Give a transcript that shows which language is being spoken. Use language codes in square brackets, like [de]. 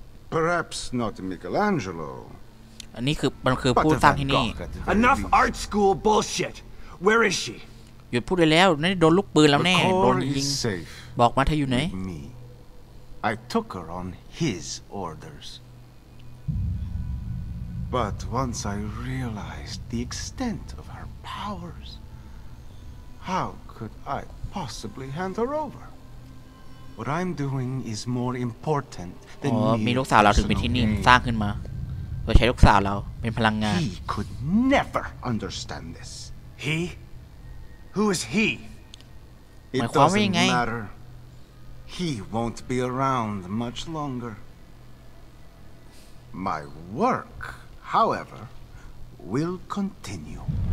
[en] Perhaps not Michelangelo. But Van Gogh. Enough art school bullshit. Where is she? [th] หยุดพูดได้แล้วนี่โดนลูกปืนแล้วแน่โดนยิงบอกมาเธออยู่ไหน [en] I took her on his orders. But once I realized the extent of her powers, how? Could I possibly hand her over? What I'm doing is more important than me. [th] มีลูกสาวเราถึงเป็นที่นี่สร้างขึ้นมาโดยใช้ลูกสาวเราเป็นพลังงาน [en] He could never understand this. He? Who is he? It doesn't matter. He won't be around much longer. My work, however, will continue.